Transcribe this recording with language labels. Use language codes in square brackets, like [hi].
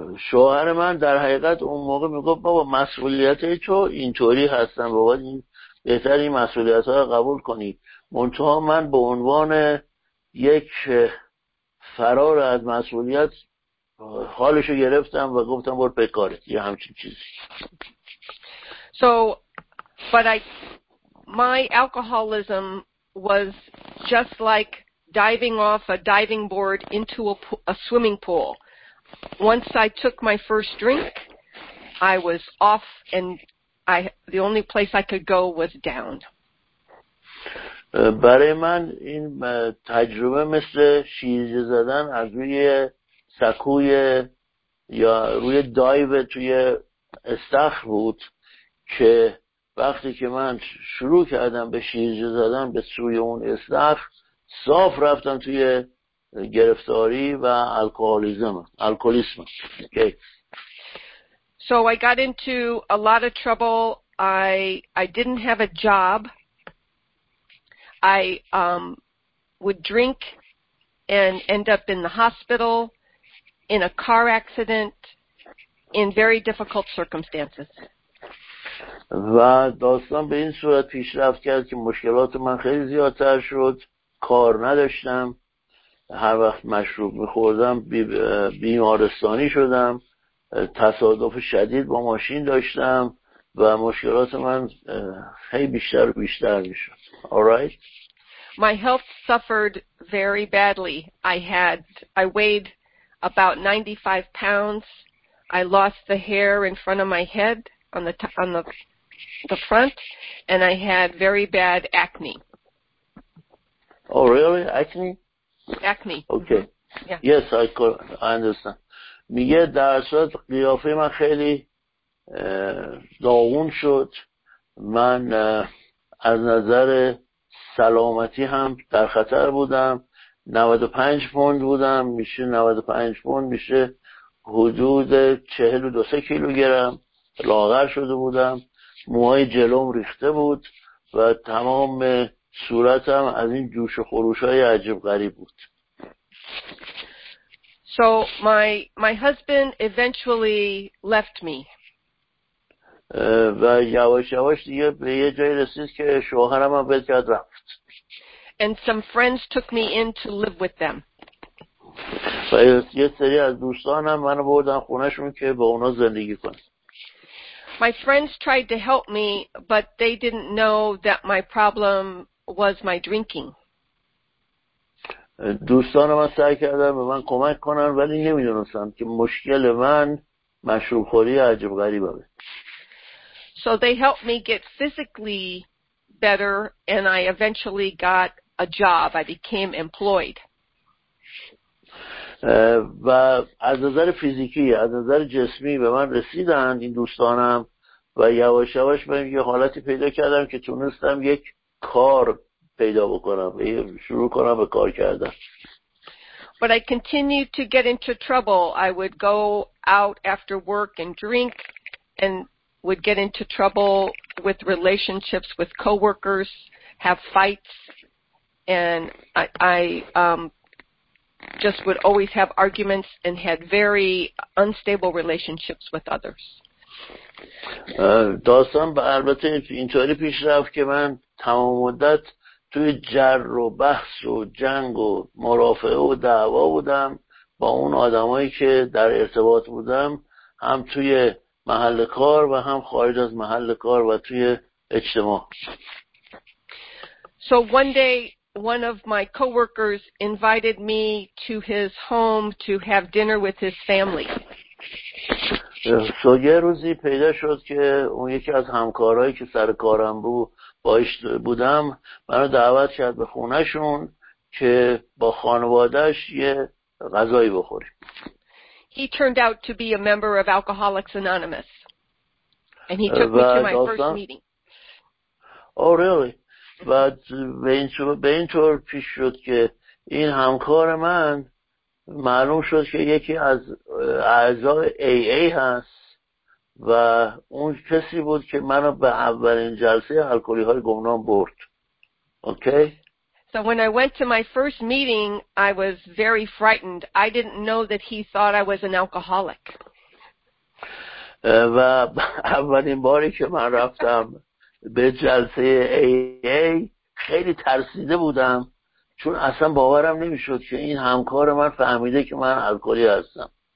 [fa] شوهر من در حقیقت اون موقع میگفت بابا مسئولیت تو اینطوری هستن بابا بهتر این مسئولیت ها رو قبول کنی. منتها من به عنوان یک فرار از مسئولیت حالشو گرفتم و گفتم برو بکاره یه همچین چیزی. [en] So, but my alcoholism was just like diving off a diving board into a swimming pool. Once I took my first drink, I was off, and the only place I could go was down. [fa] برای من این تجربه مثل شیرجه زدن از روی سکوی یا روی دایو توی استخر بود که وقتی که من شروع کردم به شیرجه زدن به سوی اون استخر صاف رفتم توی گرفتاری و الکولیسم. [en] Okay. So I got into a lot of trouble. I didn't have a job. I would drink and end up in the hospital, in a car accident, in very difficult circumstances. [fa] و داستان به این صورت پیش رفت کرد که مشکلات من خیلی زیادتر شد. کار نداشتم. هر وقت مشروب می‌خوردم بیمارستانی شدم، تصادف شدید با ماشین داشتم و مشکلات من هی بیشتر و بیشتر می‌شد. [en] All right. My health suffered very badly. I weighed about 95 pounds. I lost the hair in front of my head on the front, and I had very bad acne. Oh, really? Acne? Acne. Okay. Yeah. Yes, I understand. [fa] میگه در صورت قیافه من خیلی داغون شد. من از نظر سلامتی هم در خطر بودم. 95 پوند بودم. میشه 95 پوند میشه حدود 42 کیلوگرم. لاغر شده بودم. موهای جلوم ریخته بود و تمام صورتم از این جوش و خروش های عجیب غریب بود. [en] So my husband eventually left me. [fa] و یواش یواش دیگه به یه جایی رسید که شوهرم هم بهش رفت. [en] And some friends took me in to live with them. [fa] و یه سری از دوستانم منو بردن خونه‌شون که با اونا زندگی کنم. [en] My friends tried to help me, but they didn't know that my problem was my drinking. [fa] دوستان من سعی کردن به من کمک کنن ولی نمیدونستن که مشکل من مشروب خوری عجب غریبه. [en] So they helped me get physically better and I eventually got a job. I became employed. [fa] و از نظر فیزیکی از نظر جسمی به من رسیدن این دوستانم و یواش یواش من یه حالتی پیدا کردم که تونستم یک کار پیدا بکنم شروع کنم به کار کردن. [en] But I continued to get into trouble. I would go out after work and drink and would get into trouble with relationships with coworkers, have fights, and I just would always have arguments and had very unstable relationships with others. [fa] داستان به البته اینطوری پیش رفت که من تمام مدت توی جر و بحث و جنگ و مرافعه و دعوا بودم با اون آدمایی که در ارتباط بودم، هم توی محل کار و هم خارج از محل کار و توی اجتماع. [en] So one day one of my coworkers invited me to his home to have dinner with his family. So [fa] یه روزی پیدا شد که اون یکی از همکارهایی که سر کارم بود باش بودم منو دعوت کرد به خونهشون که با خانوادهش یه غذایی بخوریم. [en] He turned out to be a member of Alcoholics Anonymous. And he took me to my first meeting. Oh, really? [fa] و به این طور پیش شد که این همکار من معلوم شد که یکی از اعضای AA هست و اون کسی بود که منو به اولین جلسه الکلی های گمنام برد. [en] Okay? So when I went to my first meeting, I was very frightened. I didn't know that he thought I was an alcoholic. [fa] و اولین باری که من رفتم به جلسه AA خیلی ترسیده بودم، چون اصلا باورم نمیشد که این همکار من فهمیده که من الکلی هستم.